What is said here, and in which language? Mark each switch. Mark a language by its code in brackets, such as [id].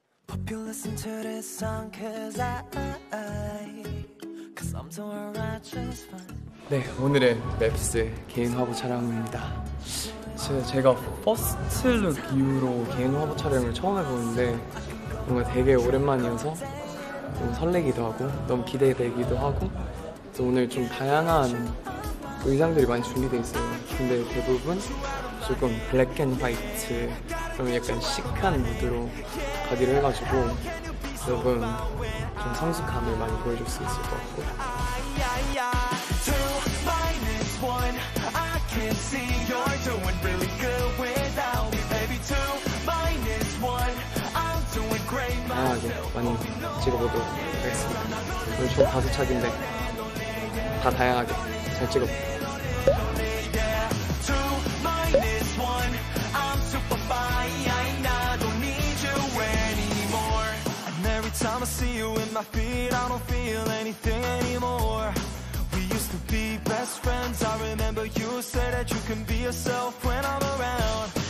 [en] Hope you listen to this song, cause I'm doing right just fine. [ko] 네, 오늘의 맵스 개인 화보 촬영입니다. 제가 퍼스트 룩 이후로 개인 화보 촬영을 처음 해보는데 뭔가 되게 오랜만이어서 너무 설레기도 하고 너무 기대되기도 하고 그래서 오늘 좀 다양한 의상들이 많이 준비되어 있어요. 근데 대부분 조금 블랙 앤 화이트 좀 약간 시크한 무드로 가기로 해가지고 여러분 좀 성숙함을 많이 보여줄 수 있을 것 같고 다양하게 많이 찍어보도록 하겠습니다. 오늘 총 5차기인데 다 다양하게 잘 찍어보도록 [en] used to be best friends I remember you said that you can be yourself when I'm around